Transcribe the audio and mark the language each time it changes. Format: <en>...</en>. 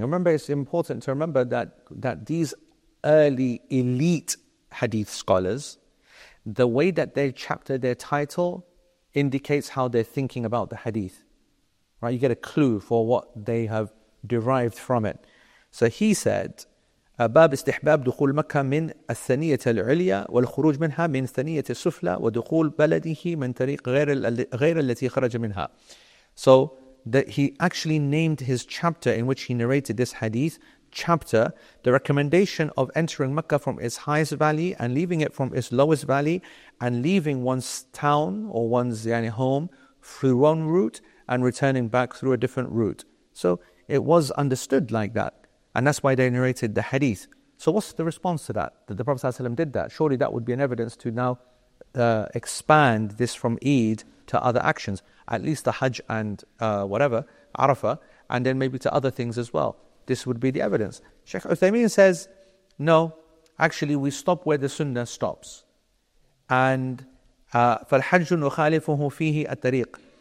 <en>Remember, it's important to remember that these early elite hadith scholars, the way that they chapter their title indicates how they're thinking about the hadith. Right? You get a clue for what they have derived from it.</en> <ar>So he said, باب استحباب دخول مكة من الثنية العليا والخروج منها من الثنية السفلى ودخول بلده من طريق غير التي خرج منها.</ar> <en>So that he actually named his chapter in which he narrated this hadith chapter the recommendation of entering Mecca from its highest valley and leaving it from its lowest valley and leaving one's town or one's يعني home through one route and returning back through a different route. So it was understood like that. And that's why they narrated the hadith. So what's the response to that? That the Prophet ﷺ did that? Surely that would be an evidence to now expand this from Eid to other actions. At least the Hajj and whatever, Arafah, and then maybe to other things as well. This would be the evidence. Sheikh Uthaymeen says, no, actually we stop where the Sunnah stops.</en> <ar>And فَالْحَجُّ نُخَالِفُهُ فِيهِ الطَّرِيقِ.</ar>